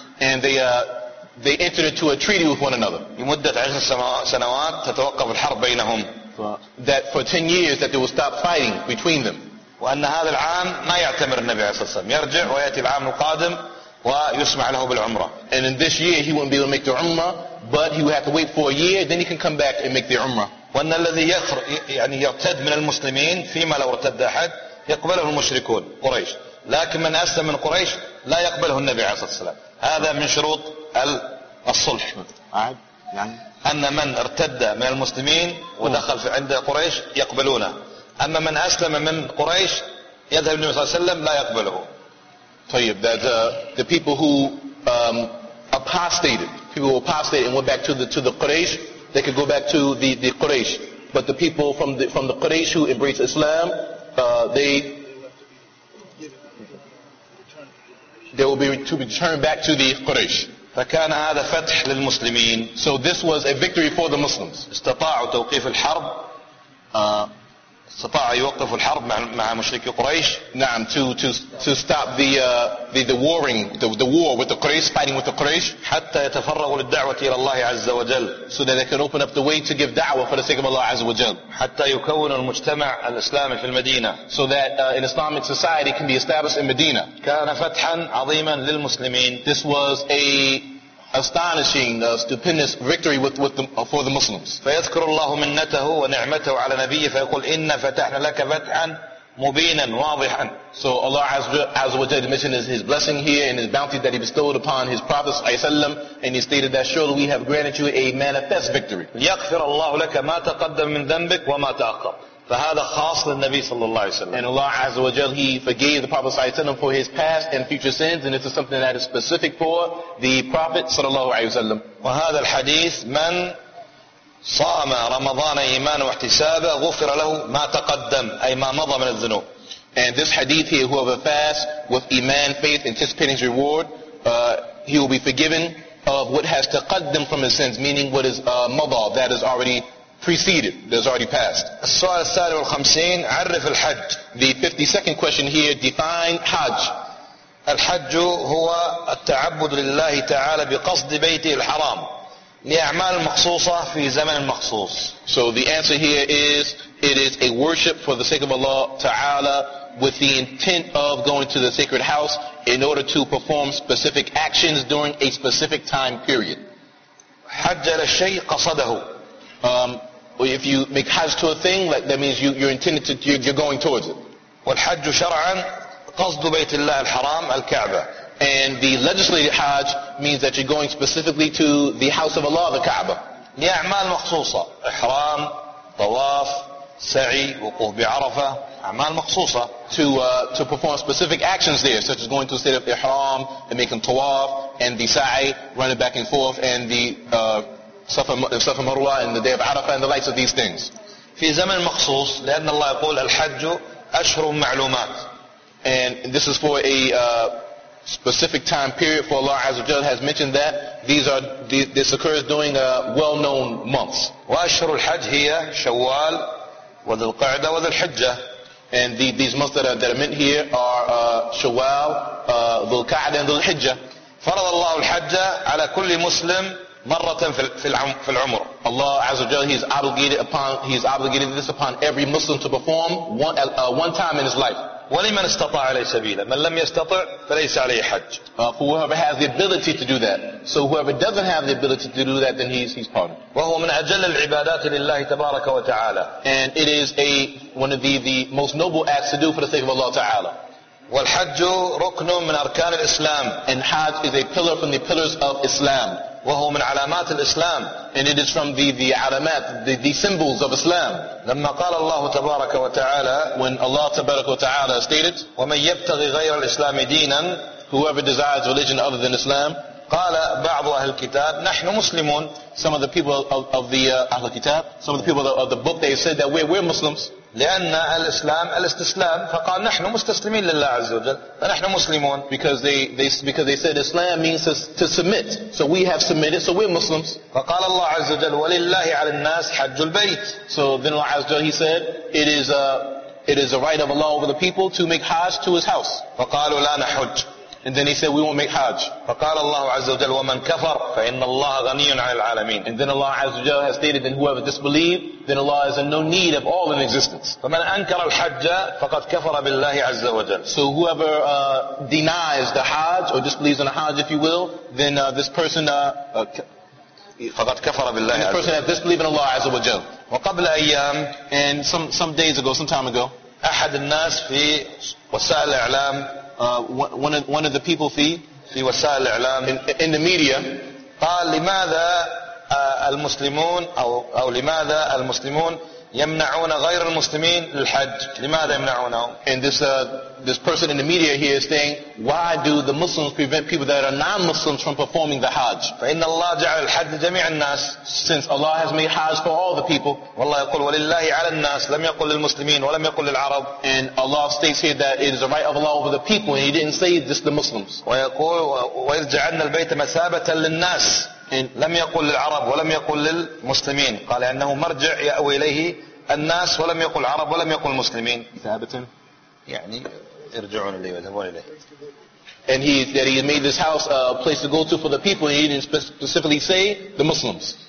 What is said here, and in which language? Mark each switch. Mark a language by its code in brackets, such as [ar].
[en] And they entered into a treaty with one another. [ar] لمدة عشر سنوات تتوقف الحرب بينهم. [en] That for 10 years that they will stop fighting between them. [ar] وأن هذا العام ما يعتمر النبي عليه الصلاة والسلام. يرجع ويأتي العام القادم ويسمع له بالعمرة. [en] And in this year he won't be able to make the umrah, but he will have to wait for a year, then he can come back and make the umrah. [ar] وأن الذي يرتد من المسلمين فيما لو ارتد أحد يقبله المشركون قريش، لكن من أسلم من قريش لا يقبله النبي عليه الصلاة والسلام. هذا من شروط الصلح. أن من ارتد من المسلمين ودخل عند قريش يقبلونه، أما من أسلم من قريش يذهب النبي صلى الله عليه وسلم لا يقبله. طيب, [en] that the people who apostated, people who apostated and went back to the Quraysh, they could go back to the Quraysh. But the people from the Quraysh who embraced Islam, they will be to be turned back to the Quraysh. [ar] فكان هذا فتح للمسلمين. [en] So this was a victory for the Muslims. [ar] استطاعوا توقيف الحرب. استطاع يوقف الحرب مع مشركي قريش. نعم, [en] to stop the warring, the war with the Quraysh, fighting with the Quraysh. [ar] حتى يتفرغوا للدعوة إلى الله عز وجل. [en] So that they can open up the way to give da'wah for the sake of Allah [ar] عز وجل. حتى يكون المجتمع الإسلامي في المدينة. [en] So that an Islamic society can be established in Medina. [ar] كان فتحا عظيما للمسلمين. [en] This was a astonishing, stupendous victory for the Muslims. [ar] فيذكر الله منته ونعمته على نبيه فيقول إن فتحنا لك فتحا مبينا واضحا. [en] So Allah has mentioned his blessing here and his bounty that he bestowed upon his prophet [ar] صلى الله عليه وسلم, [en] and he stated that surely we have granted you a manifest victory. [ar] ليغفر الله لك ما تقدم من ذنبك وما تأخر. فهذا خاص للنبي صلى الله عليه وسلم. [en] And Allah [ar] عز وجل, [en] He forgave the Prophet [ar] صلى الله عليه وسلم [en] for his past and future sins, and this is something that is specific for the Prophet صلى الله عليه وسلم. [ar] وهذا الحديث, من صام رمضان إيمانا واحتسابا غفر له ما تقدم, أي ما مضى من الذنوب. [en] And this hadith here, whoever fasts with iman, faith, anticipating his reward, he will be forgiven of what has [ar] تقدم [en] from his sins, meaning what is [ar] مضى, [en] that is already preceded, that's already passed. [ar] السؤال الثاني والخمسين, عرف الحج. [en] The 52nd question here, define Hajj. [ar] الحج هو التعبد لله تعالى بقصد بيته الحرام لأعمال مخصوصة في زمن مخصوص. [en] So the answer here is, it is a worship for the sake of Allah Ta'ala with the intent of going to the sacred house in order to perform specific actions during a specific time period. [ar] حج للشيء قصده. [en] If you make Hajj to a thing, that means you're intended to, you're going towards it. [ar] والحج شرعا قصد بيت الله الحرام الكعبة. [en] And the legislated Hajj means that you're going specifically to the house of Allah, the Kaaba. [ar] لأعمال مخصوصة, إحرام, طواف, سعي, وقوف بعرفة, أعمال مخصوصة. [en] To perform specific actions there, such as going to a state of Ihram and making Tawaf and the Sa'i, running back and forth, and the Safa Marwa and the day of Arafah and the likes of these things. [ar] في زمن مخصوص, لأن الله يقول الحج أشهر معلومات. [en] And this is for a specific time period, for Allah Azza wa Jalla has mentioned that this occurs during well-known months. [ar] وأشهر الحج هي شوال وذي القعدة وذي الحجة. [en] And these months that are meant here are شوال, ذو القعدة, and ذو الحجة. [ar] فرض الله الحج على كل مسلم مرة في العمر. [en] Allah Azza wa Jalla, He's obligated this upon every Muslim to perform one time in his life. [ar] ولمن استطاع عليه سبيلا, من لم يستطع فليس عليه حج. [en] Whoever has the ability to do that. So whoever doesn't have the ability to do that, then he's pardoned. [ar] وهو من أجل العبادات لله تبارك وتعالى. [en] And it is one of the most noble acts to do for the sake of Allah Ta'ala. [ar] والحج ركن من أركان الإسلام. [en] And Hajj is a pillar from the pillars of Islam. [ar] وهو من علامات الإسلام. [en] And it is from the [ar] علامات, [en] the symbols of Islam. [ar] لما قال الله تبارك وتعالى, [en] when Allah [ar] تبارك وتعالى [en] stated, [ar] ومن يبتغي غير الإسلام دينا, [en] whoever desires religion other than Islam, [ar] قال بعض أهل الكتاب نحن مسلمون. [en] Some of the people of the [ar] أهل الكتاب, [en] some of the people of the book, they said that we're Muslims. [ar] لأن الإسلام الاستسلام, فقال نحن مستسلمين لله عز وجل فنحن مسلمون. [en] Because they said Islam means to submit, so we have submitted, so we're Muslims. [ar] فقال الله عز وجل ولله على الناس حج البيت. [en] So then Allah [ar] عز وجل, [en] He said it is a right of Allah over the people to make Hajj to His house. [ar] فقالوا لا نحج. [en] And then He said we won't make Hajj. [ar] فقال الله عز وجل ومن كفر فإن الله غني عن العالمين. [en] And then Allah [ar] عز وجل [en] has stated that whoever disbelieved, then Allah is in no need of all in existence. [ar] فمن أنكر الحج فقد كفر بالله عز وجل. [en] So whoever denies the Hajj or disbelieves in the Hajj, if you will, then this person [ar] فقد كفر بالله. [en] This person has disbelieved in Allah [ar] عز وجل. وقبل أيام, [en] and some days ago, some time ago, [ar] أحد الناس في وسائل الإعلام, [en] One of the people [ar] في وسائل الإعلام, [en] in the media, [ar] قال لماذا المسلمون أو لماذا المسلمون يمنعون غير المسلمين الحج لماذا يمنعونهم [en] and this this person in the media here is saying why do the Muslims prevent people that are non-Muslims from performing the Hajj [ar] فإن الله جعل الحج لجميع الناس [en] since Allah has made Hajj for all the people [ar] والله يقول ولله على الناس لم يقل للمسلمين ولم يقل للعرب [en] and Allah states here that it is a right of Allah over the people and he didn't say just the Muslims [ar] ويقول وإذ جعلنا البيت مثابة للناس لم يقل للعرب ولم يقل للمسلمين قال أنه مرجع يأوي إليه الناس ولم يقل العرب ولم يقل المسلمين ثابتا يعني يرجعون إليه ويذهبون إليه [en] and he that he made this house a place to go to for the people and he didn't specifically say the Muslims